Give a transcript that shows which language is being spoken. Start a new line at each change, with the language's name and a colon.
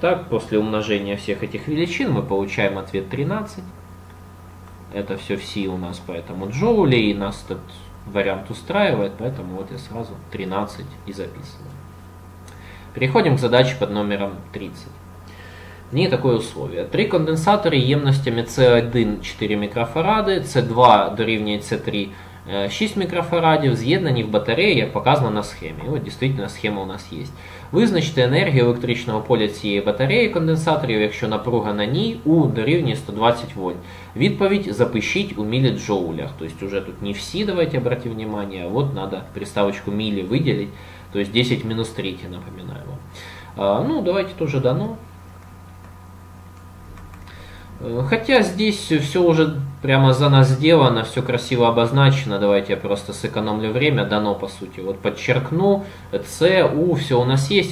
Russian: Итак, после умножения всех этих величин мы получаем ответ 13. Это все в Си у нас, поэтому джоули, и нас этот вариант устраивает, поэтому вот я сразу 13 и записываю. Переходим к задаче под номером 30. В ней такое условие.
Ukrainian: Три конденсатора емностями C1 4 микрофарады, C2 дорівнює C3 6 микрофарадов, з'єднані в батареї, як показано на схемі.
Russian: Вот действительно схема у нас есть.
Ukrainian: Визначте енергію електричного поля цієї батареї конденсаторів, якщо напруга на ній у дорівнює 120 вольт. Відповідь запишіть у міліджоулях.
Russian: То есть уже тут не всі, давайте обратите внимание, а вот надо приставочку мілі виділить. То есть 10 минус 3, напоминаю вам. Ну, давайте тоже дано. Хотя здесь все уже прямо за нас сделано, все красиво обозначено. Давайте я просто сэкономлю время. Дано, по сути. Вот подчеркну, С, У, все у нас есть.